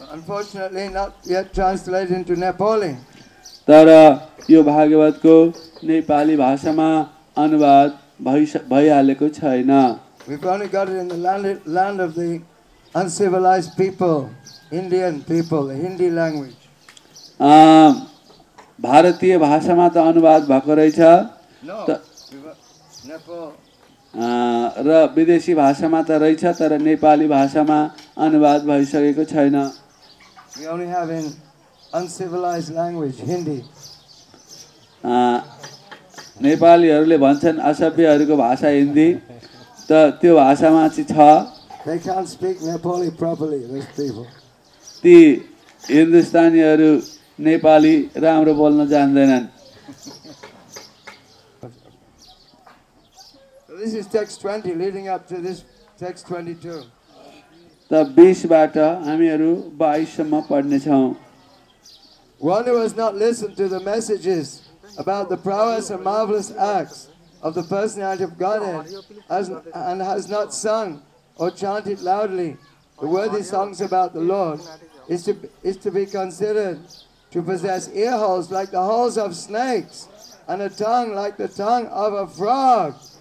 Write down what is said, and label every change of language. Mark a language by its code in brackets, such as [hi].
[en] Unfortunately not yet translated into Nepali [ne] तर यो भागवतको नेपाली भाषामा अनुवाद भइहालेको छैन [en] We've only got it in the land of the uncivilized people Indian people Hindi language [ne] भारतीय भाषामा त अनुवाद भएको रहेछ र विदेशी भाषामा त रहेछ तर नेपाली भाषामा अनुवाद भइसकेको छैन [en] We only have in uncivilized language Hindi [ne] नेपालीहरूले भन्छन् असभ्यहरूको भाषा हिन्दी त त्यो भाषामा चाहिँ छ [en] They can't speak Nepali properly, those people. [ne] ती हिन्दुस्तानीहरू नेपाली राम्रो बोल्न जान्दैनन् [en] This is text 20 leading up to this text 22. [ne] त 20 बाट हामीहरू 22 सम्म पढ्ने छौ [en] One who has not listened to the messages about the prowess and marvelous acts of the personality of Godhead and has not sung or chanted loudly the worthy songs about the Lord is to be considered to possess ear holes like the holes of snakes and a tongue like the tongue of a frog.